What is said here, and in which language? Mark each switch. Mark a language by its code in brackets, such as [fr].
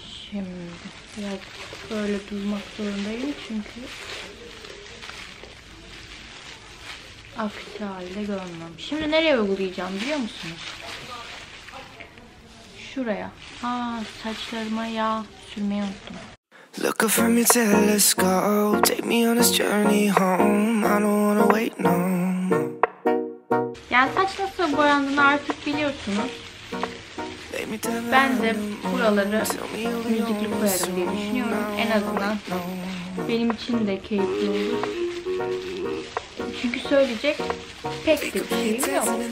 [tr] Şimdi biraz böyle durmak zorundayım çünkü aksi halde görmem. Şimdi nereye uygulayacağım biliyor musunuz? Şuraya. Saçlarıma yağ sürmeyi unuttum. [en] Look up from your telescope, take me on this journey home, I don't wanna wait no more. [tr] Yani saç nasıl boyandığını artık biliyorsunuz. Ben de buraları müzikli koyarım diye düşünüyorum. En azından benim için de keyifli olur. Çünkü söyleyecek pek de bir şey yok.